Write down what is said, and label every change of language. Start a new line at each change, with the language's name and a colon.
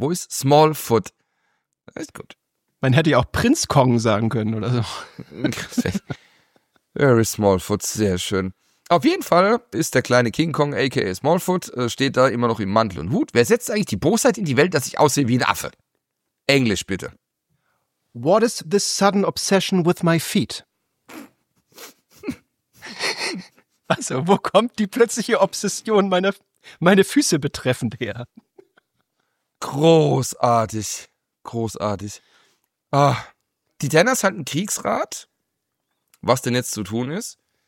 German: Wo ist Smallfoot? Ist gut. Man hätte ja auch Prinz Kong sagen können oder so. Very Smallfoot, sehr schön. Auf jeden Fall ist der kleine King Kong, a.k.a. Smallfoot, steht da immer noch im Mantel und Hut. Wer setzt eigentlich die Bosheit in die Welt, dass ich aussehe wie ein Affe? Englisch bitte.
English: What is this sudden obsession with my feet?
German: Also, wo kommt die plötzliche Obsession meine Füße betreffend her? Großartig. Großartig. Ah, die Tanners halten Kriegsrat. Was denn jetzt zu tun ist?